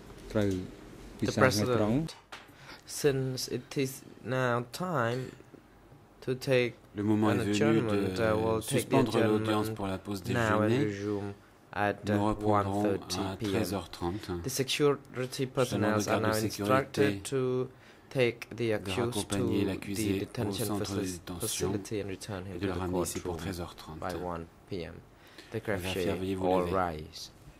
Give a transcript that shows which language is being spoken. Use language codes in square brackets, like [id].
[en] The President, since it is now time to take [fr] le moment est venu de suspendre l'audience pour la pause déjeuner. Nous reprendrons à 13h30. [en] The security personnel are now instructed to take the accused to the detention facility and return him to the courtroom by 1 p.m. The crowd shall all rise.